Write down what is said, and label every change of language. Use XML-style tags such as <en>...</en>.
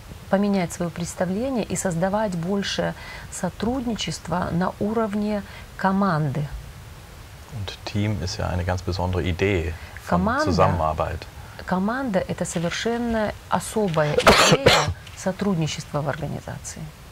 <ru>поменять свое представление и создавать больше сотрудничества на уровне команды.</ru> <de>Und Team ist ja eine ganz besondere Idee von Zusammenarbeit.</de> <ru>Команда – это совершенно особая идея сотрудничества в организации.</ru>